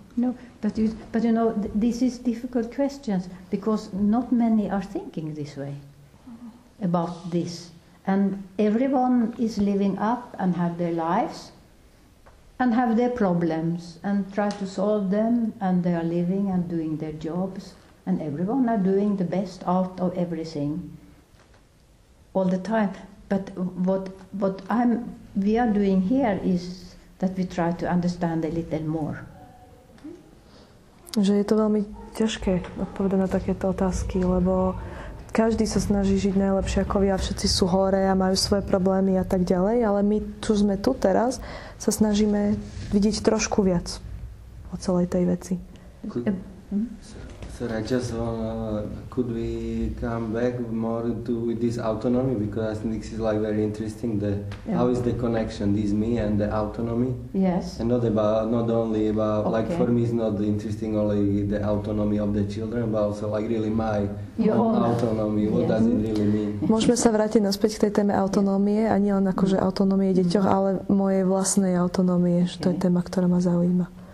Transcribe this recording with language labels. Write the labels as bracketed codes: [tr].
[en] no, but you know, this is difficult questions because not many are thinking this way about this, and everyone is living up and have their lives and have their problems and try to solve them, and they are living and doing their jobs, and everyone are doing the best out of everything all the time. But we are doing here is that we try to understand a little more. [sk] Že je to veľmi ťažké odpovedať na takéto otázky, lebo každý sa snaží žiť najlepšie ako vy a všetci sú hore a majú svoje problémy a tak ďalej, ale my tu sme tu teraz, sa snažíme vidieť trošku viac o celej tej veci. [en] Sir, I just could we come back more to this autonomy, because I think this is like very interesting, the how is the connection, this me and the autonomy? Yes. And not only about okay. Like for me it's not interesting only the autonomy of the children, but also like really my autonomy, what yes. Does it really mean? [sk] Môžeme sa vrátiť naspäť k tej téme autonomie, a nie len akože autonomie deťoch, ale mojej vlastnej autonomie, okay. Že to je téma, ktorá ma zaujíma.